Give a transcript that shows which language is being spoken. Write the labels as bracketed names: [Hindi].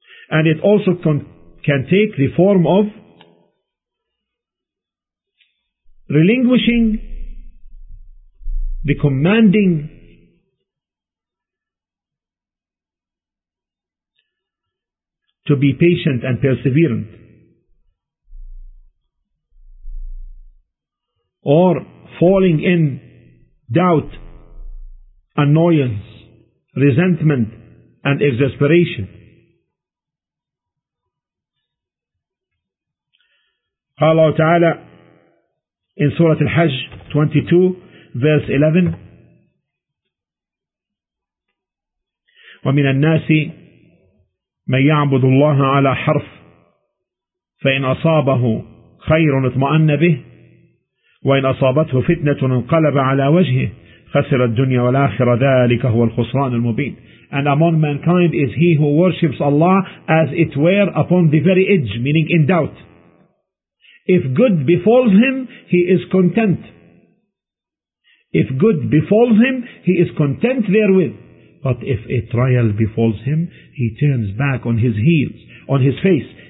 [English] And it also can take the form of relinquishing the commanding to be patient and perseverant, or falling in doubt, annoyance, resentment, and exasperation. [Arabic] قال الله تعالى [English] in Surah Al-Hajj 22:11, [Arabic] وَمِنَ النَّاسِ مَنْ يَعْبُدُ اللَّهَ عَلَى حَرْفٍ فَإِنْ أَصَابَهُ خَيْرٌ اطْمَأَنَّ بِهِ وَإِنْ أَصَابَتْهُ فِتْنَةٌ انْقَلَبَ عَلَى وَجْهِهِ خَسِرَ الدُّنْيَا وَالْآخِرَةَ ذَلِكَ هُوَ الْخُسْرَانُ الْمُبِينُ. [English] And among mankind is he who worships Allah as it were upon the very edge, meaning in doubt. If good befalls him, he is content. If good befalls him, he is content therewith. But if a trial befalls him, he turns back on his heels, on his face.